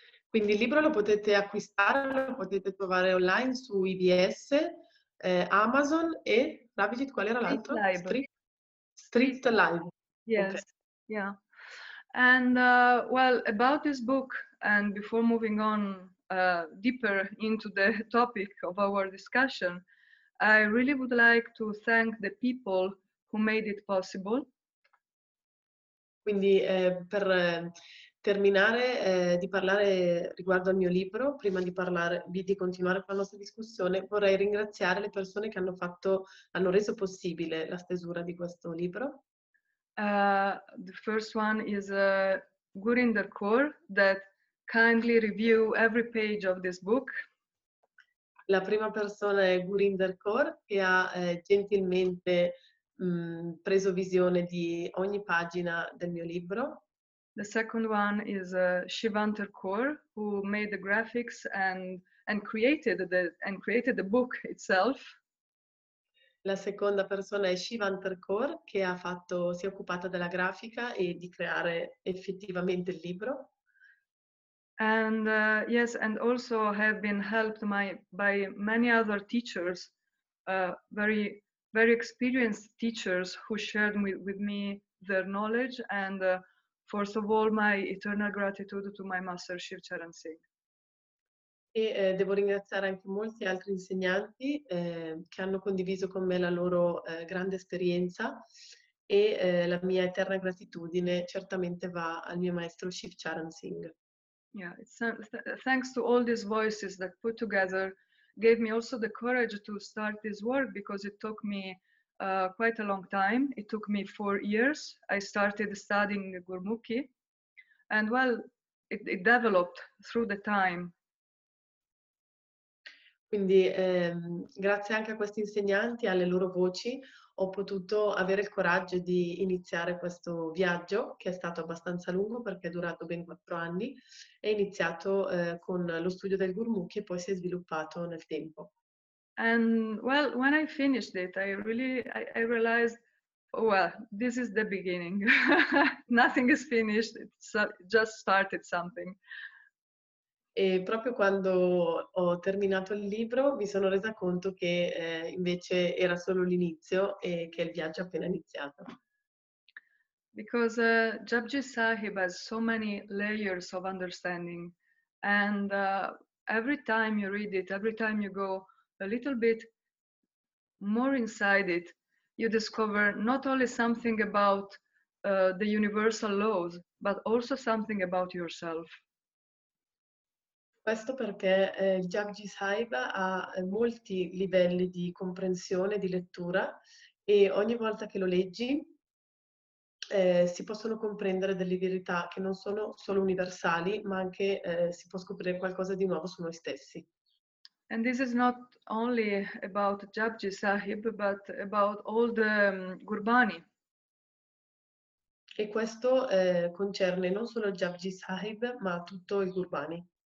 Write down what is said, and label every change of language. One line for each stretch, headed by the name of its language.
Italian: Quindi il libro lo potete acquistare, lo potete trovare online su EBS, Amazon e Ravijit, qual era l'altro?
English: Street Live. Yes. Okay. Yeah. And well, about this book, and before moving on deeper into the topic of our discussion, I really would like to thank the people who made it possible.
Italian: Quindi per terminare di parlare riguardo al mio libro, prima di parlarvi di continuare con la nostra discussione, vorrei ringraziare le persone che hanno reso possibile la stesura di questo libro.
English: The first one is Gurinder Kaur, that kindly review every page of this book.
Italian: La prima persona è Gurinder Kaur, che ha gentilmente preso visione di ogni pagina del mio libro.
English: The second one is Shivantar Kaur, who made the graphics and created the book itself.
Italian: La seconda persona è Shivantar Kaur, che si è occupata della grafica e di creare effettivamente il libro.
English: And yes, and also have been helped by many other teachers, very experienced teachers who shared with me their knowledge, and first of all my eternal gratitude to my master Shiv Charan Singh.
Italian: E devo ringraziare anche molti altri insegnanti che hanno condiviso con me la loro grande esperienza, e la mia eterna gratitudine certamente va al mio maestro Shiv Charan Singh.
English: Yeah, it's thanks to all these voices that put together gave me also the courage to start this work, because it took me quite a long time. It took me 4 years. I started studying Gurmukhi, and well, it developed through the time.
Italian: Quindi grazie anche a questi insegnanti, alle loro voci, ho potuto avere il coraggio di iniziare questo viaggio, che è stato abbastanza lungo perché è durato ben 4 anni, è iniziato con lo studio del Gurmukhi e poi si è sviluppato nel tempo.
English: And well, when I finished it, I realized, well, this is the beginning. Nothing is finished, it's just started something.
Italian: E proprio quando ho terminato il libro mi sono resa conto che invece era solo l'inizio e che il viaggio è appena iniziato.
English: Because Japji Sahib has so many layers of understanding, and every time you read it, every time you go a little bit more inside it, you discover not only something about the universal laws, but also something about yourself.
Italian: Questo perché il Japji Sahib ha molti livelli di comprensione, di lettura, e ogni volta che lo leggi si possono comprendere delle verità che non sono solo universali, ma anche si può scoprire qualcosa di nuovo su noi stessi.
English: And this is not only about Japji Sahib, but about all the Gurbani.
Italian: E questo concerne non solo Japji Sahib, ma tutto il Gurbani.